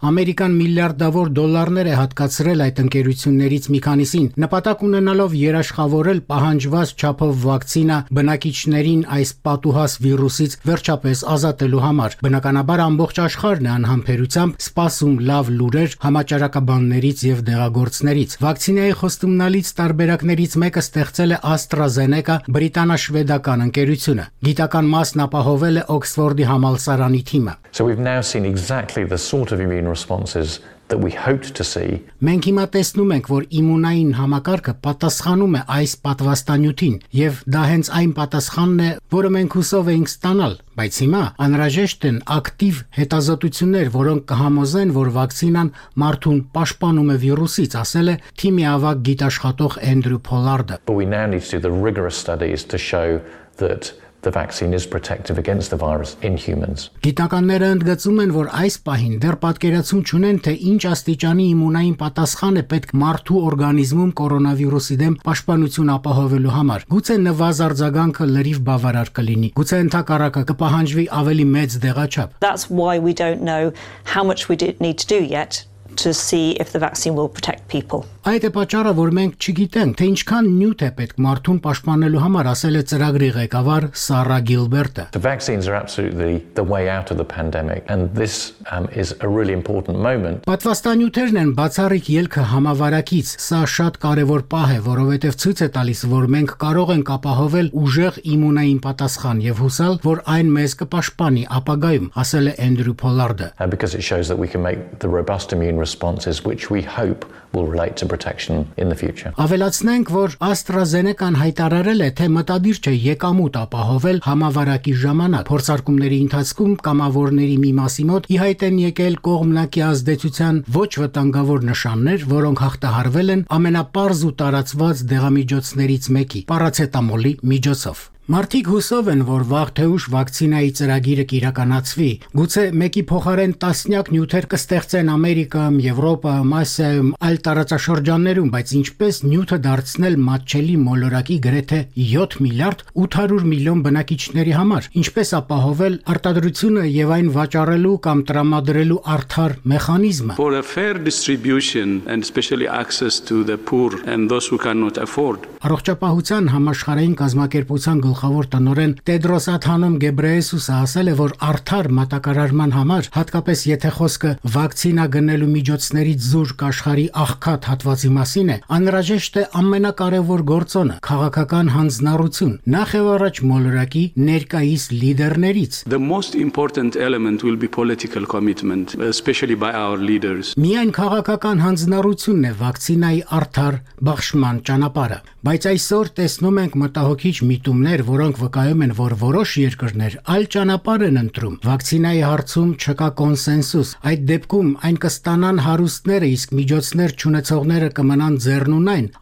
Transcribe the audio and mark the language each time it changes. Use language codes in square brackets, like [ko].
[hy] Ամերիկան միլիարդավոր դոլարներ է հատկացրել այդ ընկերություններից մի քանիսին, նպատակ ունենալով երաշխավորել պահանջված ապով վակցինա բնակիչներին այս պատուհաս վիրուսից վերջապես ազատելու համար։ Բնականաբար ամբողջ աշխարհն է անհամբերությամբ սպասում լավ լուրեր համաճարակաբաններից եւ դեղագործներից։ Վակցինայի խոստումնալից տարբերակներից մեկը ստեղծել է AstraZeneca բրիտանա-շվեդական ընկերությունը։ Գիտական մասն ապահովել է Օքսֆորդի համալսարանի թիմը։ [en] So we've now seen exactly the sort of immune responses that we hoped to see. [hy] Մենք հիմա տեսնում ենք, որ իմունային համակարգը պատասխանում է այս պատվաստանյութին, եւ դա հենց այն պատասխանն է, որը մենք հուսով էինք ստանալ, բայց հիմա անհրաժեշտ են ակտիվ հետազոտություններ, որոնք կհամոզեն, որ վակցինան մարդուն պաշտպանում է վիրուսից, ասել է թիմի ավագ գիտաշխատող Andrew Pollard-ը. [en] But we now need to do the rigorous studies to show that the vaccine is protective against the virus in humans. [hy] Գիտականները ընդգծում են, որ այս պահին դեռ պատկերացում չունեն, թե ինչ աստիճանի իմունային պատասխան է պետք մարդու օրգանիզմում կորոնավիրուսի դեմ պաշտպանություն ապահովելու համար։ Գուցե նվազարձականքը լրիվ բավարար կլինի, գուցե ընդհակառակը կպահանջվի ավելի մեծ դեղաչափ։ [en] That's why we don't know how much we need to do yet to see if the vaccine will protect people. [hy] Այդ է պատճառը, որ մենք չգիտենք, թե ինչքան նյութ է պետք մարդուն պաշտպանելու համար, ասել է ծրագրի ղեկավար Սառա Գիլբերտը։ [en] The vaccines are absolutely the way out of the pandemic and this is a really important moment. [hy] Պատվաստանյութերն են բացառիկ ելքը համավարակից, սա շատ կարևոր պահ է, որովհետև ցույց է տալիս, որ մենք կարող ենք ապահովել ուժեղ իմունային պատասխան եւ հուսալ, որ այն մեզ կպաշտպանի ապագայում, ասել է Andrew Pollard-ը։ [en] And because it shows that we can make the robust immune responses which we hope will relate to protection in the future. [hy] Ավելացնենք, որ AstraZeneca-ն հայտարարել է, թե մտադիր չէ եկամուտ ապահովել համավարակի ժամանակ։ Փորձարկումների ընթացքում կամավորների մի մասի մոտ իհայտ են եկել կողմնակի ազդեցության ոչ վտանգավոր նշաններ, որոնք հաղթահարվել են ամենապարզ ու տարածված դեղամիջոցներից մեկի՝ պարացետամոլի միջոցով։ Մարդիկ հուսով են, որ վաղ թե ուշ վակցինայի ծրագիրը կիրականացվի, գուցե մեկի փոխարեն տասնյակ նյութեր կստեղծեն Ամերիկայում, Եվրոպայում, Ասիայում, այլ տարածաշրջաններում, բայց ինչպես նյութը դարձնել մատչելի մոլորակի գրեթե 7 միլիարդ 800 միլիոն բնակիչների համար, ինչպես ապահովել արտադրությունը եւ այն վաճառելու կամ տրամադրելու արդար մեխանիզմը։ [en] For a fair distribution and especially access to the poor and those who cannot afford. [hy] Առողջապահության համաշխարհային կազմակերպության գլխավոր տնօրեն Տեդրոս Աթանոմ Գեբրեյեսուսը ասել է, որ արդար մատակարարման համար, հատկապես եթե խոսքը վակցինա գնելու միջոցներից զուրկ աշխարհի աղքատ հատվածի մասին է, անհրաժեշտ է ամենակարևոր գործոնը՝ քաղաքական հանձնառություն, նախ եւ առաջ մոլորակի ներկայիս լիդերներից։ [en] The most important element will be political commitment, especially by our leaders. [hy] Միայն քաղաքական հանձնառությունն է վակցինայի արդար բախշման ճանապարհը, բայց այսօր տեսնում ենք մտահոգիչ մի տումներ, որոնք վկայում են, որ որոշ երկրներ այլ ճանապարհ են ընտրում։ Վակցինայի հարցում չկա կոնսենսուս։ Այդ դեպքում այն կստանան հարուստները, իսկ միջոցներ չունեցողները կմնան ձեռնուն այն,